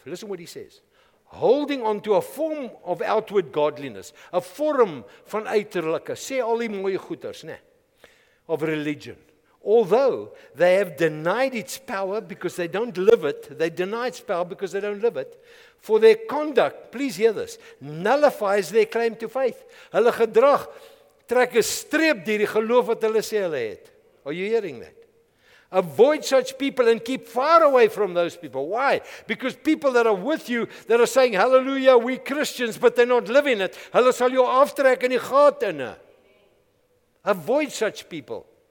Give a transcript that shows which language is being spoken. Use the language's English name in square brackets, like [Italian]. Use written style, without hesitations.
[English] Listen what he says. Holding on to a form of outward godliness, a form [Afrikaans] van uiterlijke, sê al die mooie goeders, nee, [English] of religion. Although they have denied its power because they don't live it, they deny its power because they don't live it, for their conduct, please hear this, nullifies their claim to faith. [Afrikaans] Hulle gedrag trek 'n streep deur die geloof wat hulle sê hulle het. [English] Are you hearing that? Avoid such people and keep far away from those people. Why? Because people that are with you, that are saying, hallelujah, we Christians, but they're not living it. [Afrikaans] Hulle sal jou aftrek in die gat in. [English] Avoid such people.